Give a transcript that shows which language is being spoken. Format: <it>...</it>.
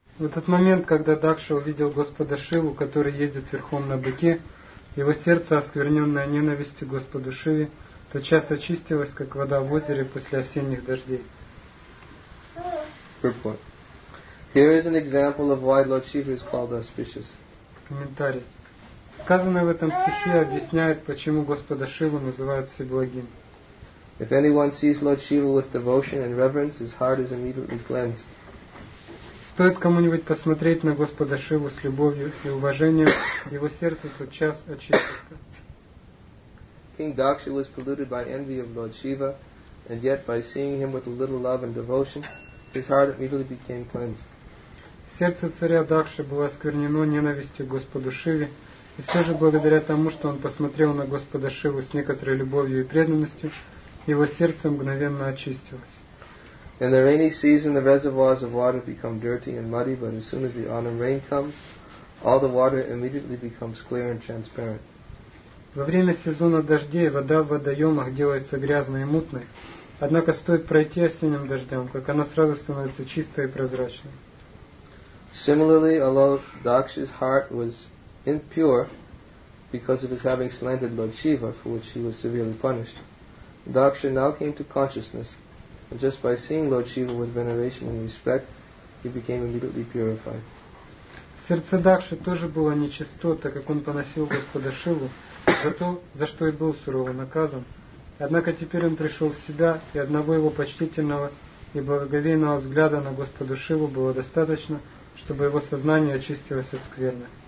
<ru>В этот момент, когда Дакша увидел Господа Шиву, который ездит верхом на быке, его сердце, оскверненное ненавистью к Господу Шиве, тотчас очистилось, как вода в озере после осенних дождей.</ru> <en>Here is an example of why Lord Shiva is called auspicious.</en> <ru>Комментарий. Сказанное в этом стихе объясняет, почему Господа Шиву называют все благим.</ru> <en>If anyone sees Lord Shiva with devotion and reverence, his heart is immediately cleansed.</en> <ru>Стоит кому-нибудь посмотреть на Господа Шиву с любовью и уважением, его сердце тотчас очистится.</ru> <en>King Daksha was polluted by envy of Lord Shiva, and yet by seeing him with a little love and devotion, his heart immediately became cleansed.</en> <ru>Сердце царя Дакши было осквернено ненавистью к Господу Шиве, и все же благодаря тому, что он посмотрел на Господа Шиву с некоторой любовью и преданностью, его сердце мгновенно очистилось.</ru> <en>In the rainy season, the reservoirs of water become dirty and muddy, but as soon as the autumn rain comes, all the water immediately becomes clear and transparent.</en> <ru>Во время сезона дождей вода в водоемах делается грязной и мутной, однако стоит пройти осенним дождем, как она сразу становится чистой и прозрачной.</ru> <en>Similarly, although Daksha's heart was impure because of his having slandered Lord Shiva, for which he was severely punished, Daksha now came to consciousness, and just by seeing Lord Shiva with veneration and respect, he became immediately purified.</en> <ru>Сердце Дакши тоже было нечисто, так как он поносил Господа Шиву за то, за что и был сурово наказан. Однако теперь он пришел в себя, и одного его почтительного и благоговейного взгляда на Господа Шиву было достаточно, чтобы его сознание очистилось от скверны.</ru>